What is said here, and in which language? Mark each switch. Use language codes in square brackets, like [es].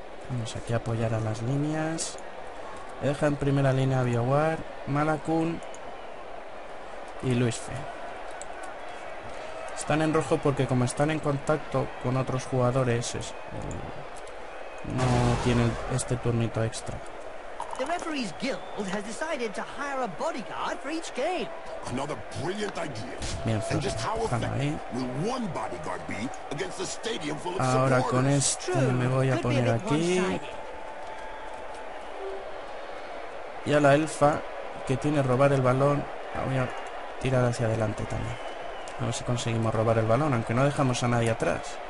[es] Vamos aquí a apoyar a las líneas. He dejado en primera línea a Biowar, Malakun y Luisfe. Están en rojo porque como están en contacto con otros jugadores, no tienen este turnito extra. [en] The Referees Guild has decided to hire a bodyguard for each game. Another brilliant idea. Bien, and just how effective will one bodyguard be against the stadium full of supporters? [es] Ahora con esto me voy a poner aquí. Y a la elfa, que tiene robar el balón, la voy a tirar hacia adelante también. A ver si conseguimos robar el balón, aunque no dejamos a nadie atrás.